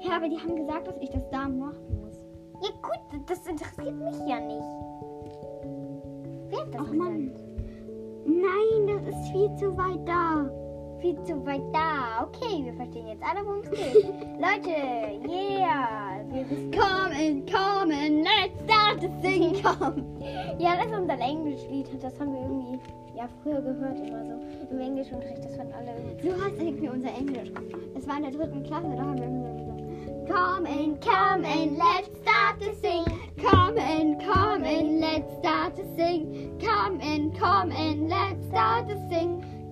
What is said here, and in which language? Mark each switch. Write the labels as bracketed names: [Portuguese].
[German] Ja, aber die haben gesagt, dass ich das da machen muss. Ja gut, das interessiert mich ja nicht. Wer hat das gesagt? Mann. Nein, das ist viel zu weit da. Viel zu weit da. Okay, wir verstehen jetzt alle, worum es geht. Leute, yeah. [English] Come in, let's start to sing, come. [German] Ja, das ist unser Englischlied. Das haben wir irgendwie ja früher gehört, immer so im Englischunterricht. Das waren alle irgendwie. Du hast irgendwie unser Englisch. Es war in der dritten Klasse, da haben wir immer so. [English] Come in, let's start to sing. Come in, let's start to sing. Come in, let's start to sing.